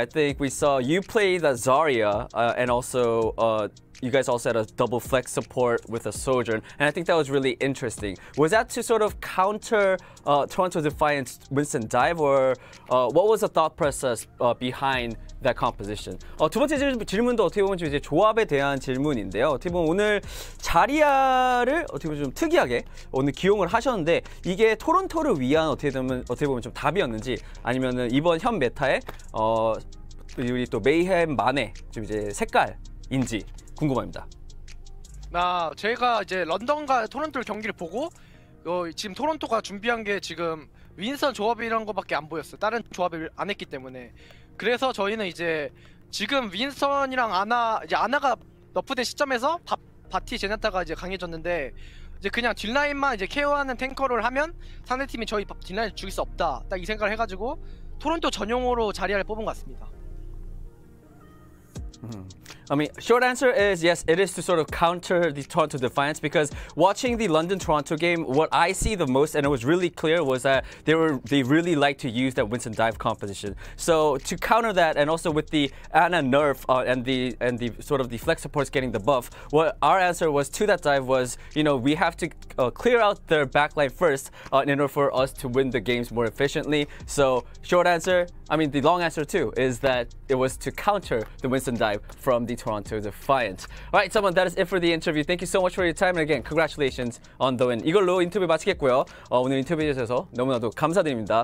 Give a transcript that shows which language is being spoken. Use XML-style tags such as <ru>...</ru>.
<en>I think we saw you play the Zarya and also you guys also had a double flex support with a Sojourn, and I think that was really interesting. Was that to sort of counter Toronto Defiant's Winston Dive, or what was the thought process behind that composition?</en> <ko>두 번째 질문도 어떻게 보면 좀 이제 조합에 대한 질문인데요. 어떻게 보면 오늘 자리아를 어떻게 보면 좀 특이하게 오늘 기용을 하셨는데 이게 토론토를 위한 어떻게 보면 좀 답이었는지 아니면은 이번 현 메타에 우리 또 메이헴만의 좀 이제 색깔인지 궁금합니다. 나 제가 이제 런던과 토론토 경기를 보고 지금 토론토가 준비한 게 지금 윈선 조합이란 거밖에 안 보였어요. 다른 조합을 안 했기 때문에. 그래서 저희는 이제 지금 윈선이랑 아나가 너프된 시점에서 바티 제나타가 이제 강해졌는데 이제 그냥 딜라인만 이제 케어하는 탱커를 하면 상대 팀이 저희 딜라인을 죽일 수 없다. 딱 이 생각을 해 가지고 토론토 전용으로 자리아를 뽑은 것 같습니다.</ko> <en>I mean, short answer is yes, it is to sort of counter the Toronto Defiance because watching the London-Toronto game, what I see the most, and it was really clear, was that they really like to use that Winston Dive composition. So to counter that, and also with the Ana nerf and the sort of the flex supports getting the buff, what our answer was to that dive was, you know, we have to clear out their backline first in order for us to win the games more efficiently. So short answer, I mean, the long answer too, is that it was to counter the Winston Dive from the Toronto Defiant. All right, someone, that is it for the interview. Thank you so much for your time. And again, congratulations on the win.</en> <ko>이걸로 인터뷰 마치겠고요. 오늘 인터뷰 해주셔서 너무나도 감사드립니다.</ko>